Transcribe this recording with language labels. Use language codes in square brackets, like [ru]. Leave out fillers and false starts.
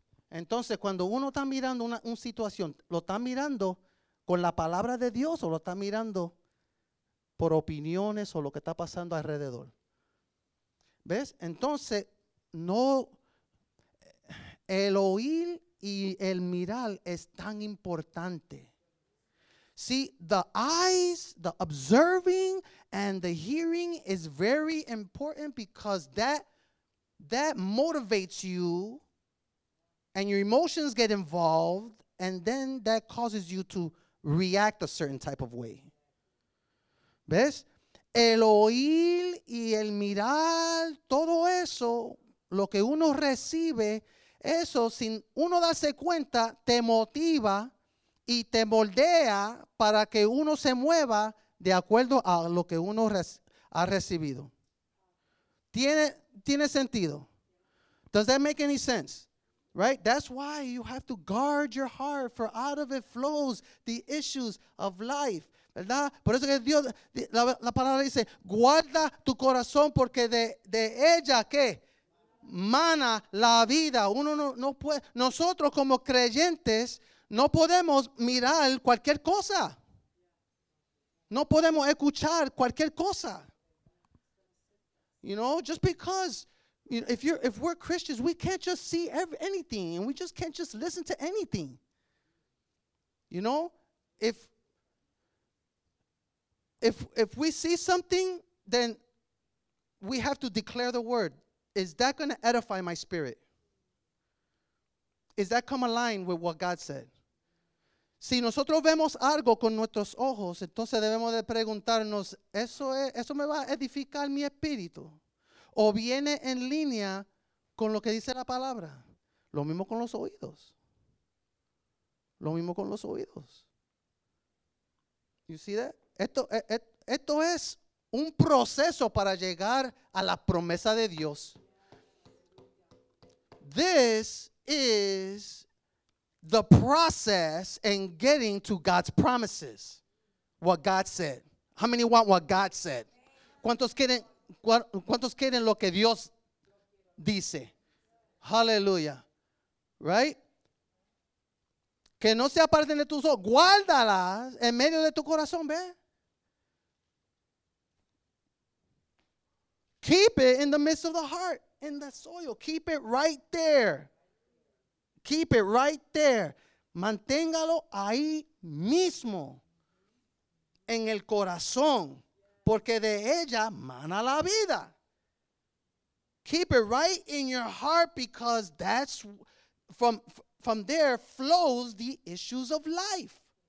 [es] Entonces, cuando uno está mirando una situación, ¿lo está mirando con la palabra de Dios o lo está mirando por opiniones o lo que está pasando alrededor? ¿Ves? Entonces, no, el oír y el mirar es tan importante. [en] See, the eyes, the observing and the hearing is very important because that motivates you and your emotions get involved and then that causes you to react a certain type of way. [es] ¿Ves? El oír y el mirar, todo eso, lo que uno recibe, eso sin uno darse cuenta, te motiva y te moldea para que uno se mueva de acuerdo a lo que uno ha recibido. ¿Tiene sentido? [en] Does that make any sense? Right? That's why you have to guard your heart, for out of it flows the issues of life. [es] ¿Verdad? Por eso que Dios, la palabra dice, guarda tu corazón porque de ella, ¿qué? Mana la vida. Uno no puede, nosotros como creyentes, no podemos mirar cualquier cosa. No podemos escuchar cualquier cosa. [en] You know, just because, you know, if we're Christians, we can't just see anything and we just can't just listen to anything. You know, if we see something, then we have to declare the word. Is that going to edify my spirit? Is that come aligned with what God said? [es] Si nosotros vemos algo con nuestros ojos, entonces debemos de preguntarnos, ¿eso me va a edificar mi espíritu? ¿O viene en línea con lo que dice la palabra? Lo mismo con los oídos. Lo mismo con los oídos. [en] You see that? [es] Esto es un proceso para llegar a la promesa de Dios. [en] This is the process in getting to God's promises. What God said. How many want what God said? [es] ¿Cuántos quieren lo que Dios dice? [en] Hallelujah. Right? [es] Que no se aparten de tus ojos. Guárdalas en medio de tu corazón, ¿ve? [en] Keep it in the midst of the heart, in the soil. Keep it right there. Keep it right there. [es] Manténgalo ahí mismo, en el corazón, porque de ella mana la vida. [en] Keep it right in your heart because that's from there flows the issues of life.